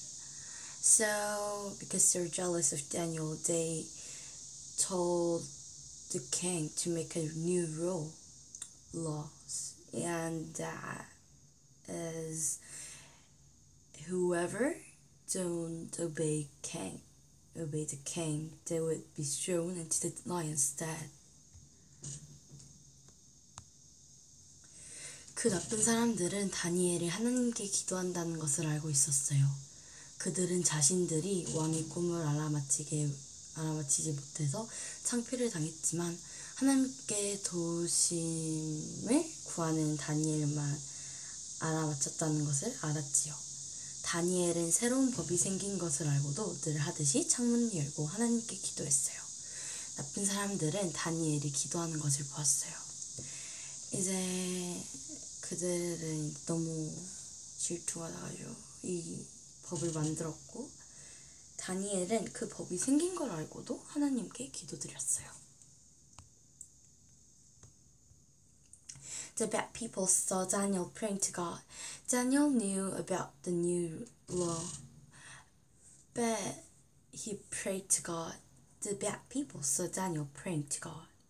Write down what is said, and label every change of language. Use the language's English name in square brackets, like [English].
[English] So, because they're jealous of Daniel, they told the king to make a new rule. Laws, and that is whoever don't obey the king, they would be thrown into the lion's den. [Korean] 그 나쁜 사람들은 다니엘이 하나님께 기도한다는 것을 알고 있었어요. 그들은 자신들이 왕의 꿈을 알아맞히지 못해서 창피를 당했지만 하나님께 도우심을 구하는 다니엘만 알아맞혔다는 것을 알았지요. 다니엘은 새로운 법이 생긴 것을 알고도 늘 하듯이 창문 열고 하나님께 기도했어요. 나쁜 사람들은 다니엘이 기도하는 것을 보았어요. 이제 그들은 너무 질투가 나가지고 이 법을 만들었고 다니엘은 그 법이 생긴 걸 알고도 하나님께 기도드렸어요. [English] The bad people saw Daniel praying to God. Daniel knew about the new law, but he prayed to God. The bad people saw Daniel praying to God.